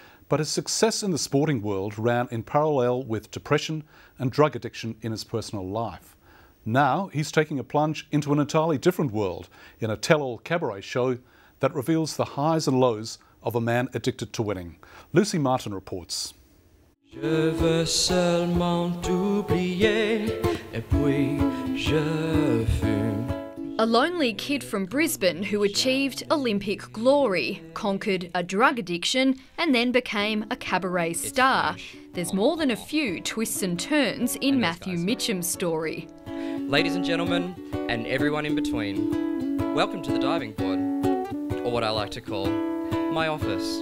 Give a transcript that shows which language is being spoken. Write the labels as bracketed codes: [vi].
[en] But his success in the sporting world ran in parallel with depression and drug addiction in his personal life. Now he's taking a plunge into an entirely different world in a tell-all cabaret show that reveals the highs and lows of a man addicted to winning. Lucy Martin reports. [fr] Je veux seulement oublier et puis je fume. [en] A lonely kid from Brisbane who achieved Olympic glory, conquered a drug addiction, and then became a cabaret star. There's more than a few twists and turns in Matthew Mitcham's story. Ladies and gentlemen, and everyone in between, welcome to the diving board, or what I like to call my office.